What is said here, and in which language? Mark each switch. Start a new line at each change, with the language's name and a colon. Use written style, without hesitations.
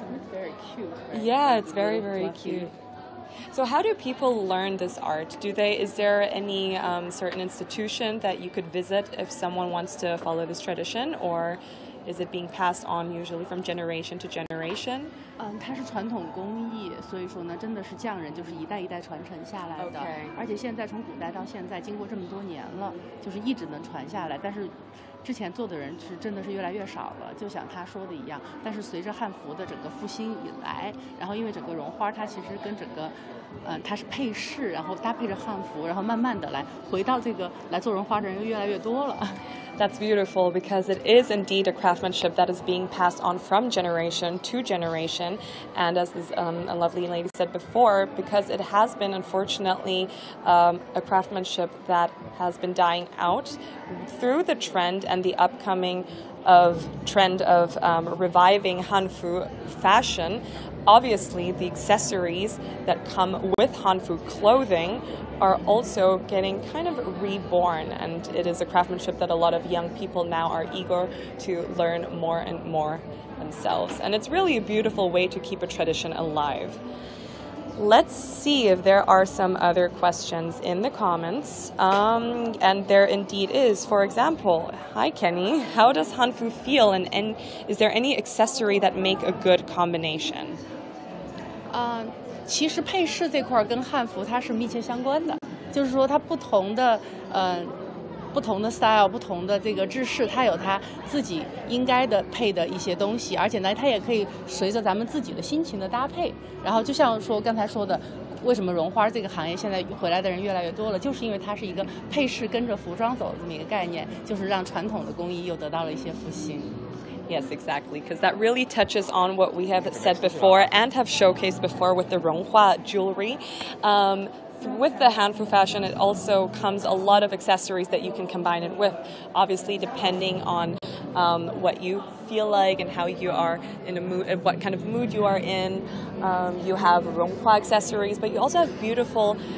English: Very cute, right? Yeah, it's very, very cute. So how do people learn this art? Is there any certain institution that you could visit if someone wants to follow this tradition? Or is it being passed on usually from generation to generation?
Chinese: 它是传统工艺，所以说呢，真的是匠人，就是一代一代传承下来的。
English: Okay.
Chinese: 而且现在从古代到现在，经过这么多年了，就是一直能传下来。但是之前做的人是真的是越来越少了，就像他说的一样。但是随着汉服的整个复兴以来，然后因为整个绒花它其实跟整个，它是配饰，然后搭配着汉服，然后慢慢的来回到这个来做绒花的人又越来越多了。
English: That's beautiful because it is indeed a craftsmanship that is being passed on from generation to generation, and as this a lovely lady said before, because it has been unfortunately a craftsmanship that has been dying out through the trend. And the upcoming of trend of reviving Hanfu fashion, obviously the accessories that come with Hanfu clothing are also getting kind of reborn, and it is a craftsmanship that a lot of young people now are eager to learn more and more themselves. And it's really a beautiful way to keep a tradition alive. Let's see if there are some other questions in the comments. And there indeed is. For example, hi Kenny, how does Hanfu feel? And is there any accessory that make a good combination?
Chinese: 其实配饰这块跟汉服它是密切相关的，就是说它不同的不同的 style, 不同的这个制式，它有它自己应该的配的一些东西，而且呢，它也可以随着咱们自己的心情的搭配。然后就像说刚才说的，为什么绒花这个行业现在回来的人越来越多了，就是因为它是一个配饰跟着服装走的这么一个概念，就是让传统的工艺又得到了一些复兴。
English: Yes, exactly, because that really touches on what we have said before and have showcased before with the 绒花 jewelry. With the Hanfu fashion, it also comes a lot of accessories that you can combine it with, obviously depending on what you feel like and how you are in a mood, and what kind of mood you are in. You have 绒花 accessories, but you also have beautiful